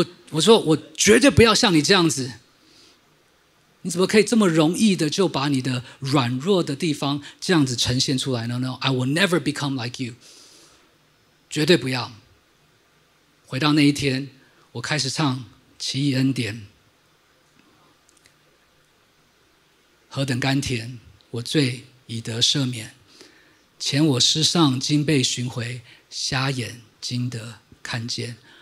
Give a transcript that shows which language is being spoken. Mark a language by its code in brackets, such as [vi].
[zh] 我说我绝对不要像你这样子，你怎么可以这么容易的就把你的软弱的地方这样子呈现出来呢？ [en] No, I will never become like you, [zh] 绝对不要。回到那一天我开始唱奇异恩典，何等甘甜，我罪已得赦免，前我失丧今被寻回，瞎眼今得看见。